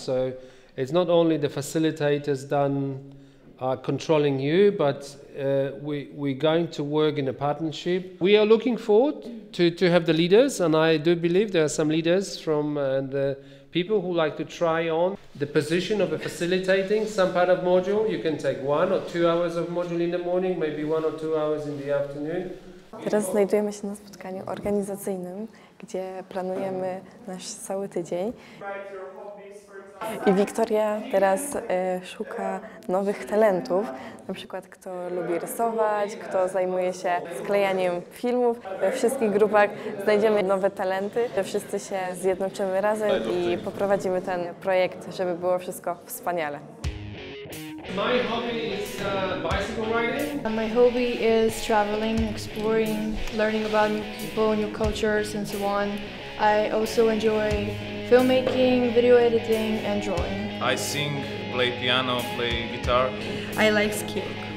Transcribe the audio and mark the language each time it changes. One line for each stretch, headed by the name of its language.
English: So it's not only the facilitators done controlling you, but we're going to work in a partnership. We are looking forward to have the leaders, and I do believe there are some leaders from the people who like to try on the position of a facilitating some part of module. You can take 1 or 2 hours of module in the morning, maybe 1 or 2 hours in the afternoon.
Polish: Teraz znajdujemy się na spotkaniu organizacyjnym, gdzie planujemy nasz cały tydzień. I Wiktoria teraz szuka nowych talentów, na przykład kto lubi rysować, kto zajmuje się sklejaniem filmów. We wszystkich grupach znajdziemy nowe talenty, że wszyscy się zjednoczymy razem i poprowadzimy ten projekt, żeby było wszystko wspaniale.
English: My hobby is bicycle riding. My hobby is traveling, exploring, learning about new people, new cultures, and so on. I also enjoy filmmaking, video editing, and drawing. I sing, play piano, play guitar. I like skiing.